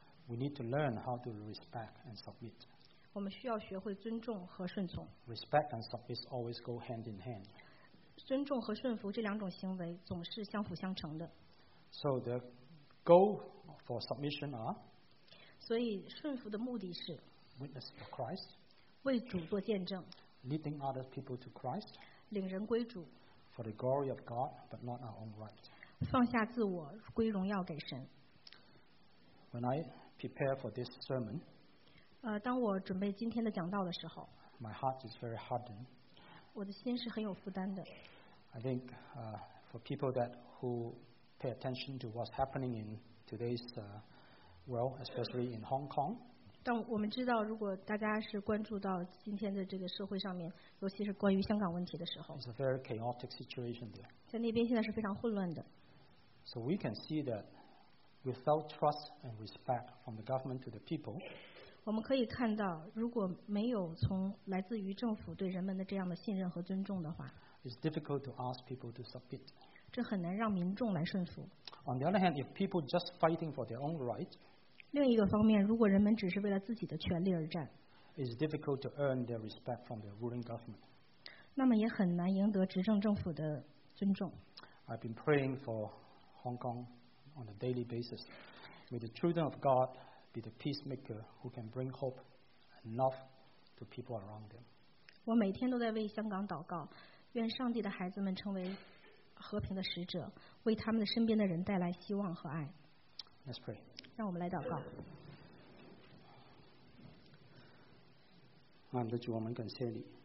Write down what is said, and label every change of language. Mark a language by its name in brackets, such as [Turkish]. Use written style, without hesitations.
[English] We need to learn how to respect and submit. [Chinese] 我们需要学会尊重和顺从。 [English] Respect and submit always go hand in hand. [Chinese] 尊重和顺服这两种行为总是相辅相成的。 [English] So the goal for submission are. [Chinese] 所以顺服的目的是 [English] witness for Christ. [Chinese] 为主做见证。 [English] Leading other people to Christ. [Chinese] 领人归主。 [English] For the glory of God, but not our own right. [Chinese] 放下自我，归荣耀给神。 [English] When I prepare for this sermon, [Chinese] 当我准备今天的讲道的时候， [English] my heart is very hardened. [Chinese] 我的心是很有负担的。 [English] I think for people that who pay attention to what's happening in today's world, especially in Hong Kong. [Chinese] 但我们知道，如果大家是关注到今天的这个社会上面，尤其是关于香港问题的时候， [English] it's a very chaotic situation there. [Chinese] 在那边现在是非常混乱的。 [English] So we can see that without trust and respect from the government to the people, [Chinese] 我们可以看到，如果没有从来自于政府对人们的这样的信任和尊重的话， [English] it's difficult to ask people to submit. [Chinese] 这很难让民众来顺服。 [English] On the other hand, if people just fighting for their own right, [Chinese] 另一个方面，如果人们只是为了自己的权利而战， [English] it's difficult to earn their respect from their ruling government. [Chinese] 那么也很难赢得执政政府的尊重。 [English] I've been praying for Hong Kong on a daily basis. May the children of God be the peacemaker who can bring hope and love to people around them. [Chinese] 我每天都在为香港祷告，愿上帝的孩子们成为和平的使者，为他们的身边的人带来希望和爱。 [English] Let's pray. [Chinese] 让我们来祷告。我们的主，我们感谢你。